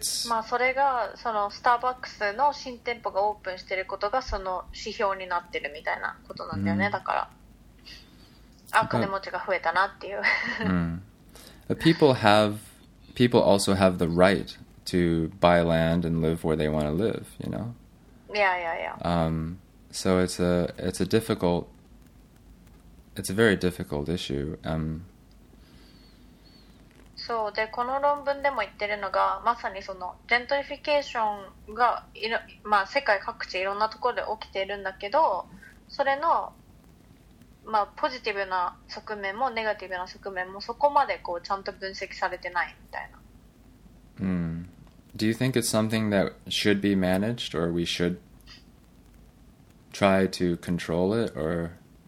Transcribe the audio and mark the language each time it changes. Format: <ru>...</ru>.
<ja>まあそれがそのスターバックスの新店舗がオープンしてることがその指標になってるみたいなことなんだよね、mm. だからあ金持ちが増えたなっていう、 mm.</ja> <en>People also have the right to buy land and live where they want to live, you know? So it's a very difficult issue.</en> <ja>そうでこの論文でも言ってるのがまさにそのジェントリフィケーションがいろ、まあ、世界各地いろんなところで起きているんだけどそれの、まあ、ポジティブな側面もネガティブな側面もそこまでこうちゃんと分析されてないみたいな、</ja> <en>Do you think it's something that should be managed or we should try to control it or...</en>